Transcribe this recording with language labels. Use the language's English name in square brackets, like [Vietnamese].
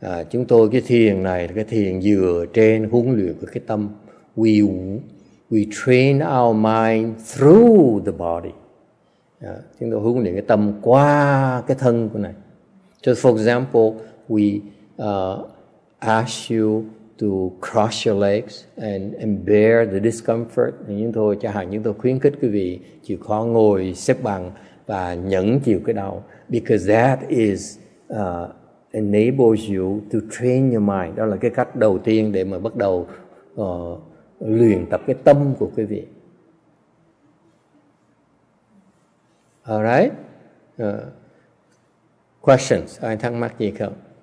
[Vietnamese] Chúng tôi cái thiền này, cái thiền dựa trên huấn luyện của cái tâm. [English] We train our mind through the body. [Vietnamese] Chúng tôi huấn luyện cái tâm qua cái thân của này. [English] So for example, we ask you to cross your legs and bear the discomfort. [Vietnamese] Nhưng thôi, chẳng hạn chúng tôi khuyến khích quý vị chịu khó ngồi xếp bằng và nhẫn chịu cái đau. [English] Because that is enables you to train your mind. [Vietnamese] Đó là cái cách đầu tiên để mà bắt đầu luyện tập cái tâm của quý vị. [English] All right. Questions? [Vietnamese] Ai thắc mắc gì không?